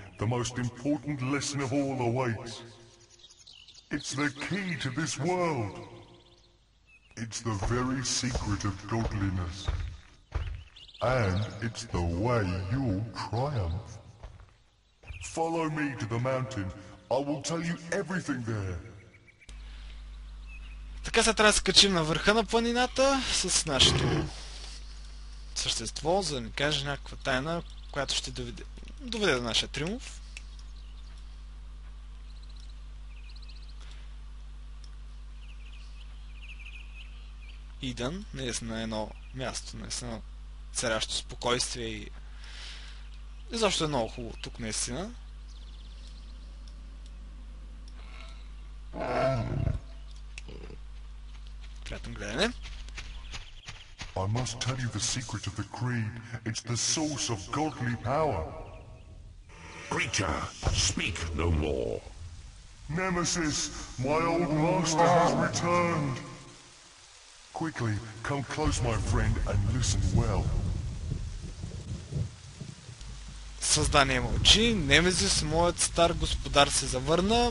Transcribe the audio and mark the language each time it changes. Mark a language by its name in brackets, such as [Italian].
[English] The most important lesson of all awaits. It's the key to this world. It's the very secret of godliness. And it's the way you'll triumph. Follow me to the mountain. I will tell you everything there. [Bulgarian] Така се трябва да скачим на върха на планината с нашето същество, за да ни каже някаква тайна, която ще доведе до нашия триумф. Идън, наистина на едно място, наистина царящо спокойствие и... И защо е много хубаво тук, наистина. Приятно гледане. [English] I must tell you the secret of the creed. It's the source of godly power. Creature, speak no more. Nemesis, my old master has returned. Quickly, come close, my friend, and listen well. [Bulgarian] Създание мълчи. Немезис, моят стар господар, се завърна.